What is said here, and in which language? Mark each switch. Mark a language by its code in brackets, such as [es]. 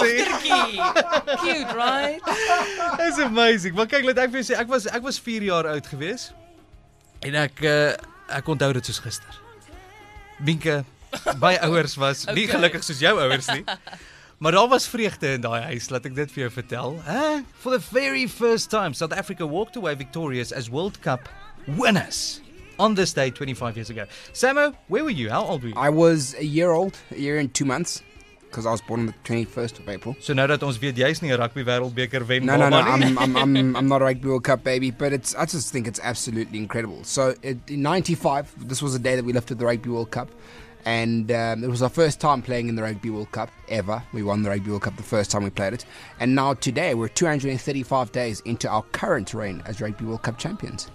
[en] sê. Cute, right? It's amazing. [af] Maar kyk, laat ek vir jou sê, ek was 4 jaar oud gewees. En ek onthou dit soos gister. Minke, my ouers was okay. Nie gelukkig soos jou ouers nie. Maar daar was vreugde in daai huis, laat ek dit vir jou vertel. Huh? [en] For the very first time, South Africa walked away victorious as World Cup winners on this day 25 years ago. Samo, where were you? How old were you? I was a year and 2 months, because I was born on the 21st of April. [af] So nou dat ons weet, jy is nie 'n rugby wêreldbeker wen nie. [en] No, I'm not a rugby World Cup baby, but I just think it's absolutely incredible. So in 95, this was the day that we lifted the Rugby World Cup. And it was our first time playing in the Rugby World Cup ever. We won the Rugby World Cup the first time we played it. And now today, we're 235 days into our current reign as Rugby World Cup champions.